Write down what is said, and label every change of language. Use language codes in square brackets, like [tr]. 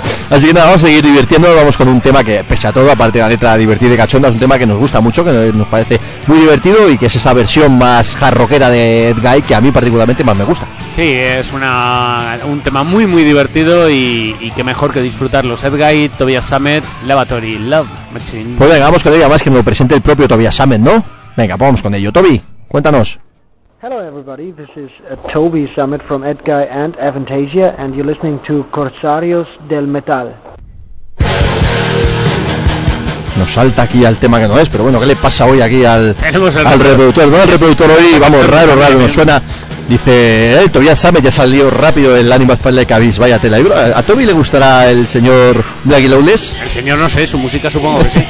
[es] Así que nada, vamos a seguir divirtiéndonos. Vamos con un tema que, pese a todo, aparte de la letra divertida y cachonda, es un tema que nos gusta mucho, que nos parece muy divertido y que es esa versión más jarroquera de Edguy que a mí particularmente más me gusta. Sí, es un tema muy, muy divertido y que mejor que disfrutar los Edguy, Tobias Sammet, Lavatory, Love Machine. Pues venga, vamos con ello, además que nos lo presente el propio Tobias Sammet, ¿no? Venga, vamos con ello. Toby, cuéntanos. [en] Hello everybody, this is Toby Sammet from Edguy and Avantasia, and you're listening to Corsarios del Metal. [es] Nos salta aquí al tema que no es, pero bueno, ¿qué le pasa hoy aquí al reproductor? No, el reproductor hoy, vamos, raro, nos suena. Dice, Toby Sammet ya salió rápido el Animal Fight Like Abyss, vaya tela. ¿A Toby le gustará el señor Blackie Lawless? El señor no sé, su música supongo que sí.